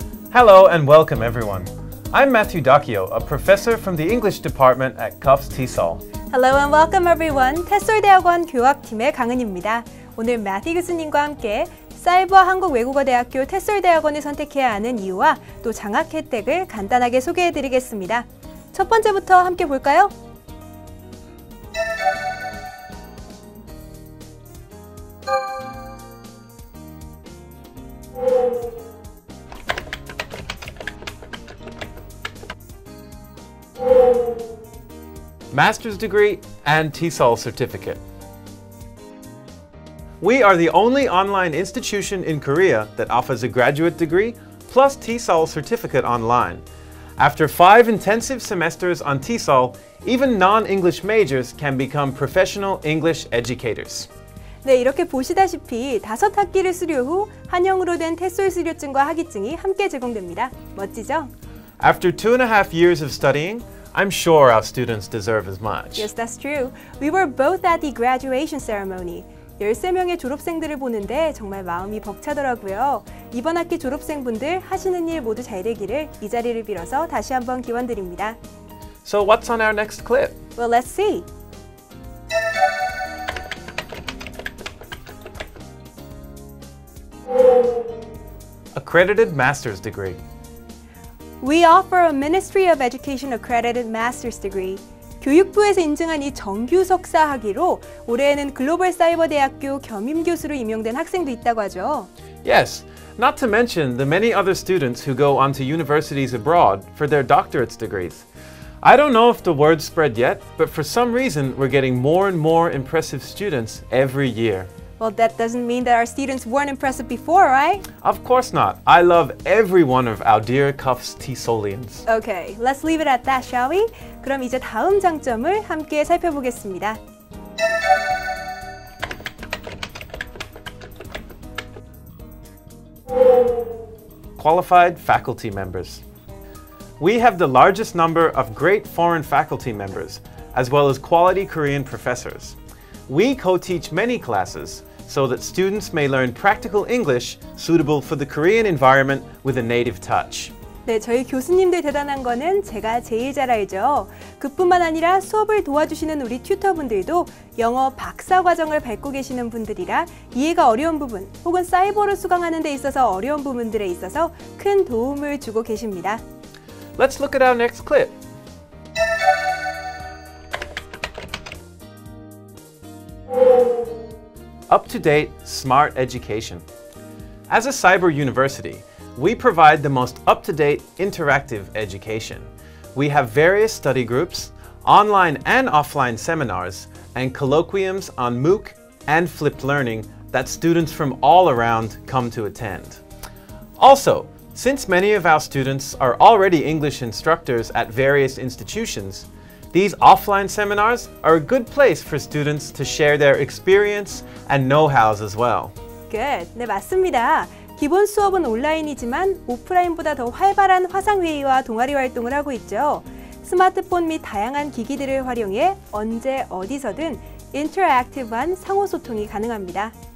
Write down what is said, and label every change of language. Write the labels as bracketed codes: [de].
[en] Hello and welcome everyone. I'm Matthew Dacchio, a professor from the English department at Cuffs TESOL. Hello and welcome everyone. [ko] 테솔대학원 교학팀의 강은입니다. 오늘 마티 교수님과 함께 사이버 한국외국어대학교 테솔대학원을 선택해야 하는 이유와 또 장학 혜택을 간단하게 소개해드리겠습니다. 첫 번째부터 함께 볼까요? [en] Master's degree and TESOL certificate. We are the only online institution in Korea that offers a graduate degree plus TESOL certificate online. After 5 intensive semesters on TESOL, even non-English majors can become professional English educators. [ko] 네, 이렇게 보시다시피 다섯 학기를 수료 후 한영으로 된 TESOL 수료증과 학위증이 함께 제공됩니다. 멋지죠? [en] After 2.5 years of studying, I'm sure our students deserve as much. Yes, that's true. We were both at the graduation ceremony. [ko] 13명의 졸업생들을 보는데 정말 마음이 벅차더라고요. 이번 학기 졸업생분들 하시는 일 모두 잘 되기를 이 자리를 빌어서 다시 한번 기원드립니다. [en] So what's on our next clip? Well, let's see. Accredited master's degree. We offer a Ministry of Education accredited master's degree. [ko] 교육부에서 인증한 이 정규 석사 학위로 올해에는 글로벌 사이버 대학교 겸임 교수로 임용된 학생도 있다고 하죠. [en] Yes, not to mention the many other students who go on to universities abroad for their doctorate degrees. I don't know if the word spread yet, but for some reason we're getting more and more impressive students every year. Well, that doesn't mean that our students weren't impressive before, right? Of course not. I love every one of our dear Cuffs TESOLians. Okay, let's leave it at that, shall we? [ko] 그럼 이제 다음 장점을 함께 살펴보겠습니다. [en] Qualified faculty members. We have the largest number of great foreign faculty members, as well as quality Korean professors. We co-teach many classes, so that students may learn practical English suitable for the Korean environment with a native touch. [ko] 네, 저희 교수님들 대단한 거는 제가 제일 잘 알죠. 그뿐만 아니라 수업을 도와주시는 우리 튜터분들도 영어 박사 과정을 밟고 계시는 분들이라 이해가 어려운 부분 혹은 사이버를 수강하는 데 있어서 어려운 부분들에 있어서 큰 도움을 주고 계십니다. [en] Let's look at our next clip. Up-to-date smart education. As a cyber university, we provide the most up-to-date interactive education. We have various study groups, online and offline seminars, and colloquiums on MOOC and flipped learning that students from all around come to attend. Also, since many of our students are already English instructors at various institutions, these offline seminars are a good place for students to share their experience and know-hows as well. [ko] Good. 네, 맞습니다. 기본 수업은 온라인이지만 오프라인보다 더 활발한 화상회의와 동아리 활동을 하고 있죠. 스마트폰 및 다양한 기기들을 활용해 언제 어디서든 interactive한 상호소통이 가능합니다.